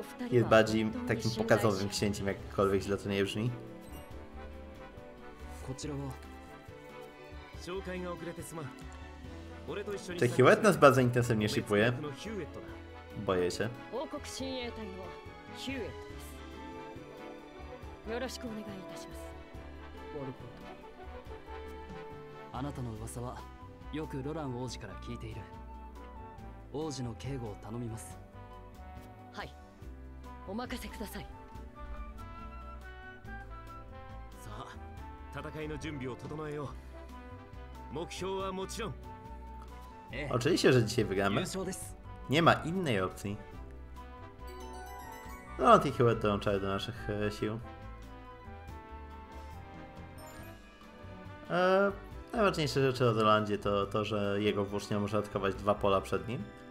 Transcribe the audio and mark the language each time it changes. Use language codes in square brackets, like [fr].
[pl] Jest bardziej takim pokazowym księciem, jakkolwiek źle to nie brzmi. Czy Hewett nas bardzo intensywnie shipuje? Boję się. [ja] ヒューエットです。よろしくお願いいたします。オルフォート。あなたの噂はよくロラン王子から聞いている。王子の警護を頼みます。はい。お任せください。さあ、戦いの準備を整えよう。目標はもちろん。 [pl] Oczywiście, że dzisiaj wygramy. Nie ma innej opcji. No, te chyba dołączają do naszych sił. Najważniejsze rzeczy o Dolandzie to to, że jego włócznia może atakować dwa pola przed nim.